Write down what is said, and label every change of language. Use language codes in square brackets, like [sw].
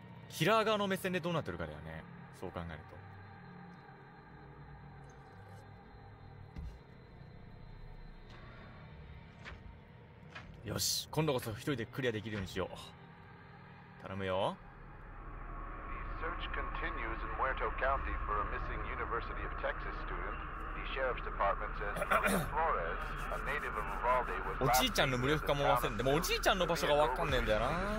[ja] キラー側の目線でどうなってるかだよね、そう考えると。よし、今度こそ一人でクリアできるようにしよう。頼むよ。 [en] Search continues in Muerto County for a missing University of Texas student. The sheriff's department says Flores, a native of Uvalde, was [ja] おじいちゃんの無力化も忘れん。でもおじいちゃんの場所が分かんねえんだよな。